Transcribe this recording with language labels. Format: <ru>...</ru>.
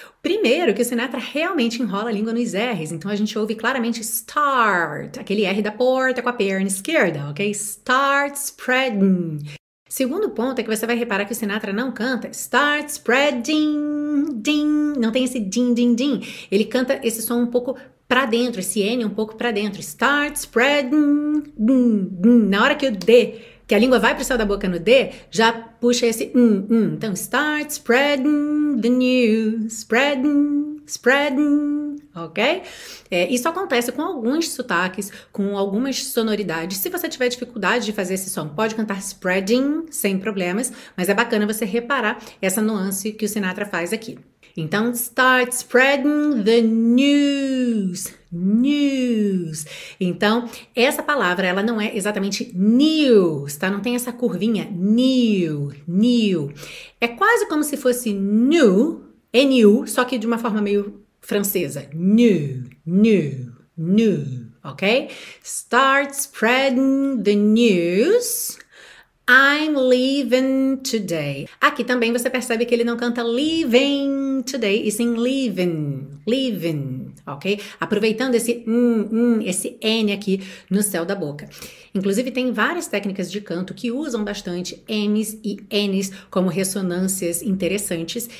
<pt>Primeiro, que o Sinatra realmente enrola a língua nos R's, então a gente ouve claramente start, aquele R da porta com a perna esquerda, ok?</pt> <en>Start spreading.</en> <pt>Segundo ponto é que você vai reparar que o Sinatra não canta start spreading, ding, não tem esse ding, ding, ding. Ele canta esse som um pouco pra dentro, esse N um pouco pra dentro.</pt> <en>Start spreading, ding, ding.</en> <pt>Na hora que o D, que a língua vai pro céu da boca no D, já puxa esse um, um.</pt> <en>Então, start spreading the news, spreading, spreading, ok?</en> <pt>Isso acontece com alguns sotaques, com algumas sonoridades. Se você tiver dificuldade de fazer esse som, pode cantar spreading sem problemas, mas é bacana você reparar essa nuance que o Sinatra faz aqui.</pt> <en>Então, start spreading the news, news.</en> <pt>Então, essa palavra, ela não é exatamente news, tá? Não tem essa curvinha, new, new. É quase como se fosse new, N-U, só que de uma forma meio francesa.</pt> <en>New, new, new, ok? Start spreading the news. I'm leaving today.</en> <pt>Aqui também você percebe que ele não canta</pt> <en>leaving today,</en> <pt>e sim leaving, leaving, ok? Aproveitando esse esse N aqui no céu da boca. Inclusive, tem várias técnicas de canto que usam bastante M's e N's como ressonâncias interessantes.</pt>